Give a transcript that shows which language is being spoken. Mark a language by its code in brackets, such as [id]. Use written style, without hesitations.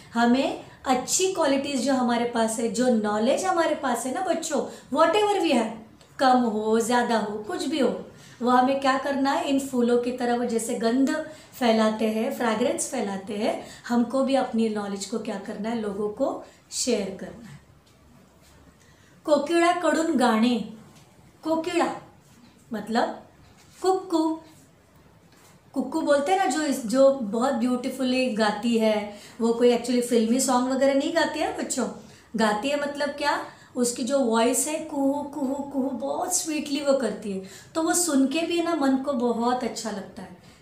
[hi] हमें अच्छी क्वालिटीज़ जो हमारे पास है, जो नॉलेज हमारे पास है ना बच्चों, [en] whatever we है, [hi] कम हो ज़्यादा हो कुछ भी हो, वह हमें क्या करना है, इन फूलों की तरह वो जैसे गंध फैलाते हैं, फ्रैग्रेंस फैलाते हैं, हमको भी अपनी नॉलेज को क्या करना है, लोगों को शेयर करना है. [mr] कोकिळा कडून गाणे, कोकिळा मतलब कुक्कू. [hi] कुक्कू बोलते हैं ना जो जो बहुत ब्यूटीफुली गाती है, वो कोई एक्चुअली फिल्मी सॉन्ग वगैरह नहीं गाती है बच्चों, गाती है मतलब क्या, उसकी जो वॉइस है कुहू कुहू कुहू बहुत स्वीटली वो करती है, तो वो सुन के भी ना मन को बहुत अच्छा लगता है.